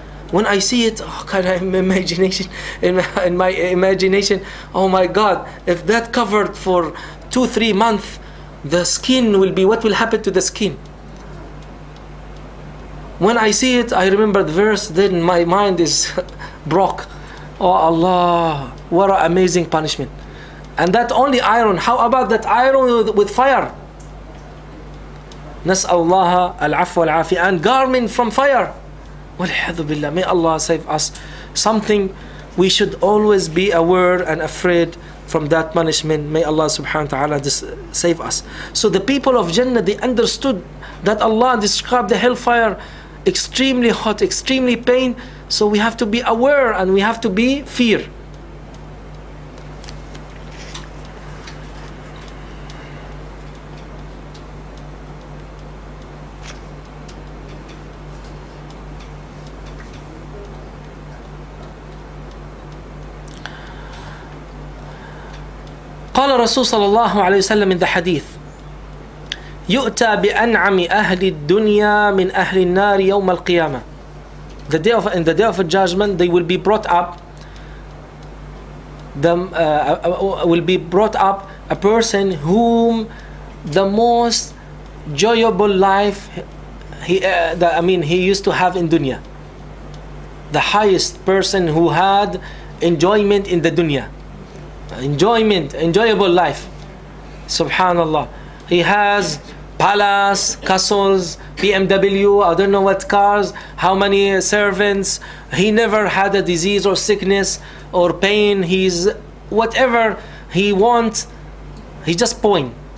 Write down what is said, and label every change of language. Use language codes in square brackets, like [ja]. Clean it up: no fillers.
[en] When I see it, oh God, in my imagination, oh my God, if that covered for 2-3 months, the skin will be, what will happen to the skin? When I see it, I remember the verse, then my mind is broke. Oh Allah, what an amazing punishment. And that only iron, how about that iron with fire? [ar] نسأل الله العفو والعافية. [en] And garment from fire. [ar] وَالْحَذُ بِاللَّهِ, [en] may Allah save us. Something we should always be aware and afraid from that punishment. May Allah subhanahu wa ta'ala save us. So the people of Jannah, they understood that Allah described the hellfire extremely hot, extremely pain. So we have to be aware and we have to be fear. [ar] قال الرسول صلى الله عليه وسلم [en] in the hadith, [ar] يؤتى بأنعم أهل الدنيا من أهل النار يوم القيامة. [en] In the day of judgment, they will be brought up. Will be brought up a person whom the most joyful life he used to have in dunya, the highest person who had enjoyment in the dunya, enjoyment, enjoyable life, subhanallah, he has palace, castles, BMW, I don't know what cars, how many servants, he never had a disease or sickness or pain, he's whatever he wants, he just point.